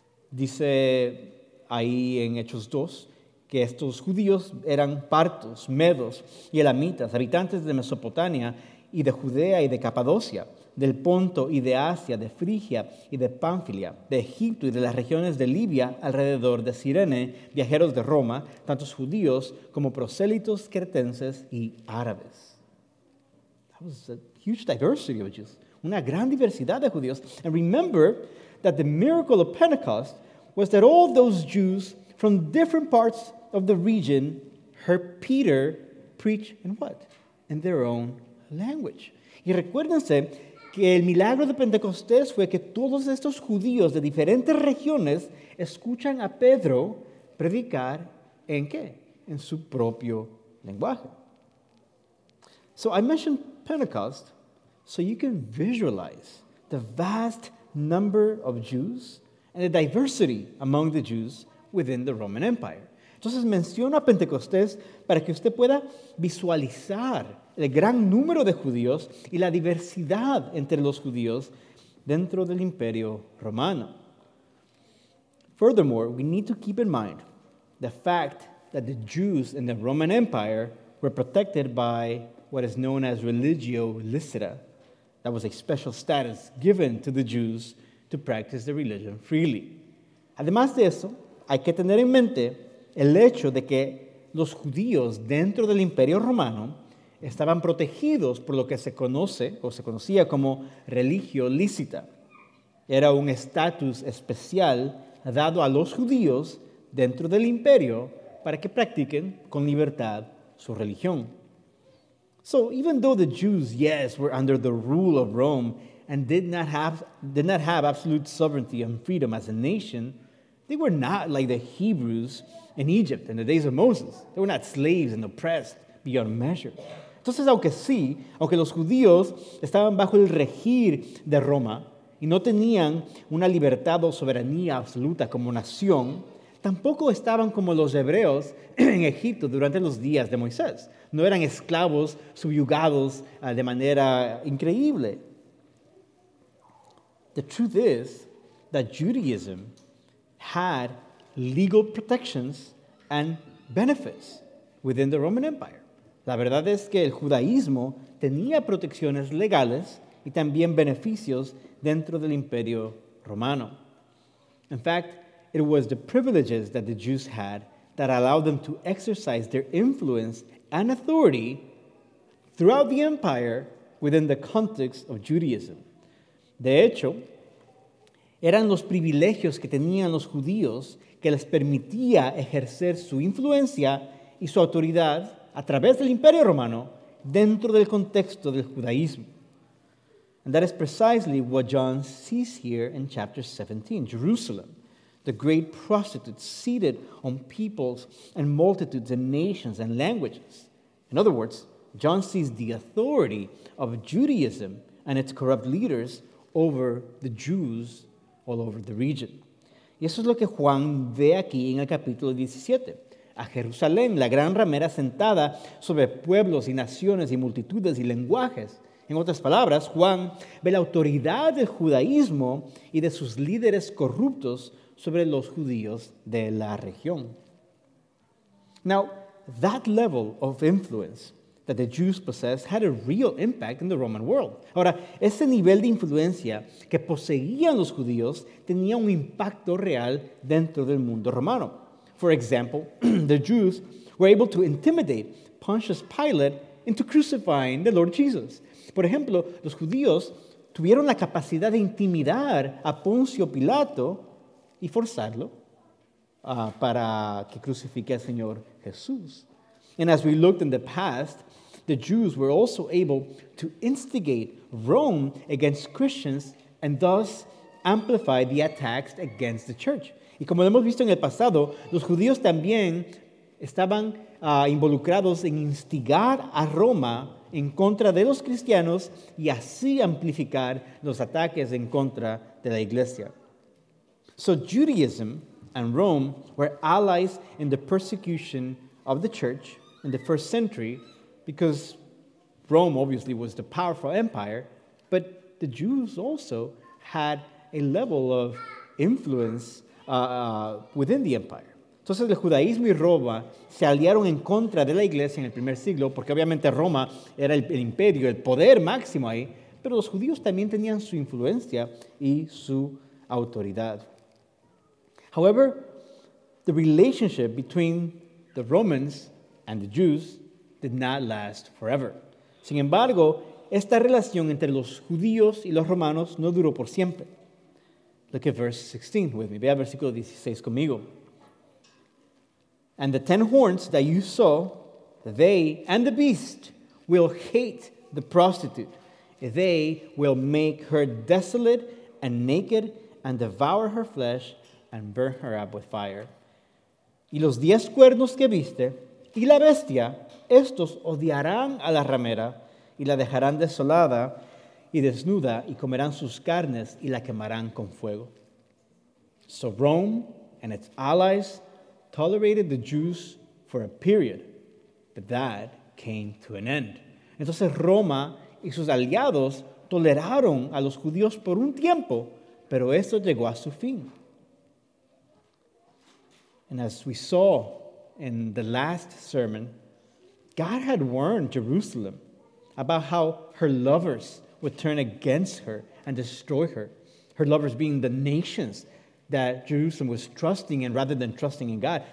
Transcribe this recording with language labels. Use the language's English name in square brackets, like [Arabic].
[Spanish] Dice ahí en Hechos 2, que estos judíos eran partos, medos y elamitas, habitantes de Mesopotamia y de Judea y de Capadocia, del Ponto y de Asia, de Frigia y de Pamphylia, de Egipto y de las regiones de Libia alrededor de Cirene, viajeros de Roma, tantos judíos como prosélitos cretenses y árabes. [English] That was a huge diversity of Jews. [Spanish] Una gran diversidad de judíos. [English] And remember that the miracle of Pentecost was that all those Jews from different parts of the region heard Peter preach in what? In their own language. [Spanish] Y recuérdense que el milagro de Pentecostés fue que todos estos judíos de diferentes regiones escuchan a Pedro predicar en qué? En su propio lenguaje. [English] So I mentioned Pentecost so you can visualize the vast number of Jews and the diversity among the Jews within the Roman Empire. [Spanish] Entonces menciono a Pentecostés para que usted pueda visualizar el gran número de judíos y la diversidad entre los judíos dentro del Imperio Romano. [English] Furthermore, we need to keep in mind the fact that the Jews in the Roman Empire were protected by what is known as religio licita. That was a special status given to the Jews to practice the religion freely. [Spanish] Además de eso, hay que tener en mente el hecho de que los judíos dentro del Imperio Romano estaban protegidos por lo que se conoce o se conocía como religio lícita. Era un estatus especial dado a los judíos dentro del imperio para que practiquen con libertad su religión. [English] So even though the Jews, yes, were under the rule of Rome and did not have absolute sovereignty and freedom as a nation, they were not like the Hebrews in Egypt in the days of Moses. They were not slaves and oppressed beyond measure. [Spanish] Entonces, aunque sí, aunque los judíos estaban bajo el regir de Roma y no tenían una libertad o soberanía absoluta como nación, tampoco estaban como los hebreos en Egipto durante los días de Moisés. No eran esclavos subyugados de manera increíble. [English] The truth is that Judaism had legal protections and benefits within the Roman Empire. [Spanish] La verdad es que el judaísmo tenía protecciones legales y también beneficios dentro del Imperio Romano. [English] In fact, it was the privileges that the Jews had that allowed them to exercise their influence and authority throughout the empire within the context of Judaism. [Spanish] De hecho, eran los privilegios que tenían los judíos que les permitía ejercer su influencia y su autoridad a través del Imperio Romano, dentro del contexto del judaísmo. [English] And that is precisely what John sees here in chapter 17. Jerusalem, the great prostitute seated on peoples and multitudes and nations and languages. In other words, John sees the authority of Judaism and its corrupt leaders over the Jews all over the region. [Spanish] Y eso es lo que Juan ve aquí en el capítulo 17. A Jerusalén, la gran ramera sentada sobre pueblos y naciones y multitudes y lenguajes. En otras palabras, Juan ve la autoridad del judaísmo y de sus líderes corruptos sobre los judíos de la región. [English] Now, that level of influence that the Jews possessed had a real impact in the Roman world. [Spanish] Ahora, ese nivel de influencia que poseían los judíos tenía un impacto real dentro del mundo romano. [English] For example, the Jews were able to intimidate Pontius Pilate into crucifying the Lord Jesus. [Spanish] Por ejemplo, los judíos tuvieron la capacidad de intimidar a Poncio Pilato y forzarlo para que crucifique al Señor Jesús. [English] And as we looked in the past, the Jews were also able to instigate Rome against Christians and thus amplify the attacks against the church. [Spanish] Y como lo hemos visto en el pasado, los judíos también estaban involucrados en instigar a Roma en contra de los cristianos y así amplificar los ataques en contra de la iglesia. [English] So Judaism and Rome were allies in the persecution of the church in the first century because Rome obviously was the powerful empire, but the Jews also had a level of influence within the empire. [Spanish] Entonces el judaísmo y Roma se aliaron en contra de la iglesia en el primer siglo porque obviamente Roma era el imperio, el poder máximo ahí, pero los judíos también tenían su influencia y su autoridad. [English] However, the relationship between the Romans and the Jews did not last forever. [Spanish] Sin embargo, esta relación entre los judíos y los romanos no duró por siempre. [English] Look at verse 16 with me. [Spanish] Vea versículo 16 conmigo. [English] And the 10 horns that you saw, they and the beast will hate the prostitute. They will make her desolate and naked and devour her flesh and burn her up with fire. [Spanish] Y los 10 cuernos que viste y la bestia, estos odiarán a la ramera y la dejarán desolada y desnuda, y comerán sus carnes, y la quemarán con fuego. [English] So Rome and its allies tolerated the Jews for a period, but that came to an end. [Spanish] Entonces Roma y sus aliados toleraron a los judíos por un tiempo, pero esto llegó a su fin. [English] And as we saw in the last sermon, God had warned Jerusalem about how her lovers would turn against her and destroy her. Her lovers being the nations that Jerusalem was trusting in rather than trusting in God.